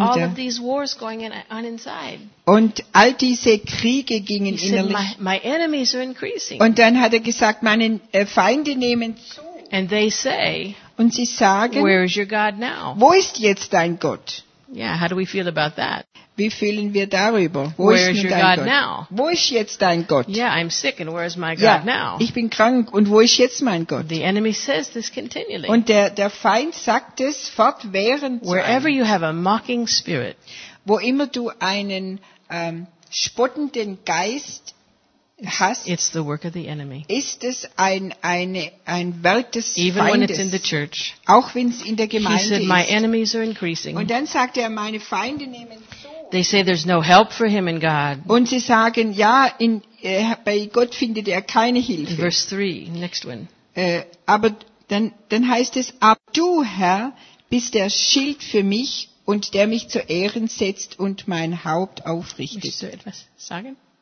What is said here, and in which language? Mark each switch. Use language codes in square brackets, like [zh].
[en] Had all of these wars going on inside. [de] Und all diese Kriege gingen [en] he [de] innerlich. [en] Said, my enemies are increasing. [de] Und dann hat er gesagt, meine Feinde nehmen zu. [en] And they say, [de] und sie sagen, [en] where is your God now? [de] Wo ist jetzt dein Gott? [en] Yeah, how do we feel about that? [de] Wie fühlen wir darüber? Wo [en] where [de] ist [en] is your [de] dein [en] God Now? [de] Wo ist jetzt dein Gott? [en] Yeah, I'm sick and where is my God now? [de] Ich bin krank und wo ist jetzt mein Gott? [en] The enemy says this continually. [de] Und der Feind sagt es fortwährend. [en] Wherever you have a mocking spirit, [de] wo immer du einen spottenden Geist hast, [en] it's the work of the enemy. [de] Ist es ein Werk des [en] Even [de] Feindes. [en] When it's in the church. [de] Auch wenn es in der Gemeinde [en] he said, [de] ist. [en] My enemies are increasing. [de] Und dann sagt er, meine Feinde nehmen zu. [en] They say there's no help for him in God. [de] Und sie sagen, ja, bei Gott findet er keine Hilfe. [en] In verse 3, next one. [de] Aber dann heißt es, aber du, Herr, bist der Schild für mich und der mich zu Ehren setzt und mein Haupt aufrichtet. Möchtest du etwas sagen?